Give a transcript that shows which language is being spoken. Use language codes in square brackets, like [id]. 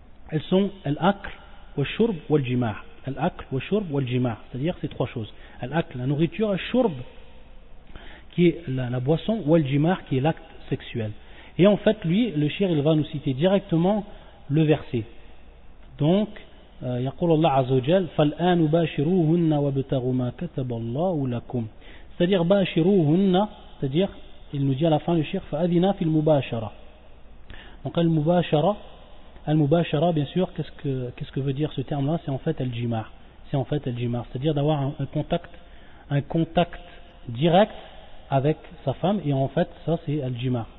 [fr] Elles sont al-akl, wa-shurb, wa-jima'. Al-akl, wa-shurb, wa-jima'. C'est-à-dire ces trois choses. Al-akl, la nourriture, al-shurb, qui est la boisson, ou al-jima'r, qui est l'acte sexuel. Et en fait, lui, le shir, il va nous citer directement le verset. [ar] Donc, يقول الله عز وجل فالآن باشروهن وابتغوا ما كتب الله لكم. [fr] C'est-à-dire باشروهن, c'est-à-dire, il nous dit à la fin le shir, [ar] فأذنا في المباشرة. [fr] Donc al-mubashara, bien sûr, qu'est-ce que veut dire ce terme-là ? C'est en fait al-jima'r. C'est en fait al-jima'r. C'est-à-dire d'avoir un contact direct avec sa femme, et en fait ça c'est al-jima'r.